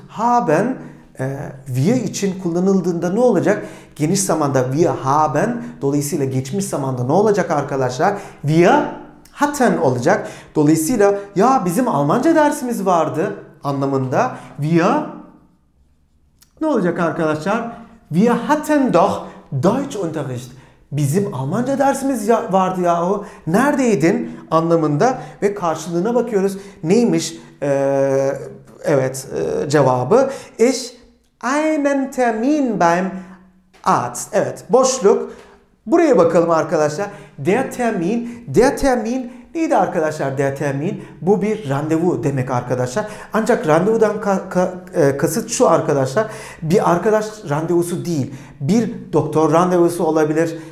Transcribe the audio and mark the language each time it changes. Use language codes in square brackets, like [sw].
[de] Haben wir [tr] için kullanıldığında ne olacak? Geniş zamanda [de] wir haben, [tr] dolayısıyla geçmiş zamanda ne olacak arkadaşlar? [de] Wir hatten [tr] olacak. Dolayısıyla ya bizim Almanca dersimiz vardı anlamında wir ne olacak arkadaşlar? [de] Wir hatten doch Deutschunterricht. [tr] Bizim Almanca dersimiz vardı yahu. Neredeydin anlamında ve karşılığına bakıyoruz. Neymiş evet cevabı? [de] Ich einen Termin beim Arzt. [tr] Evet, boşluk. Buraya bakalım arkadaşlar. [de] Der Termin [tr] neydi arkadaşlar? [de] Der Termin, [tr] bu bir randevu demek arkadaşlar. Ancak randevudan kasıt şu arkadaşlar. Bir arkadaş randevusu değil. Bir doktor randevusu olabilir.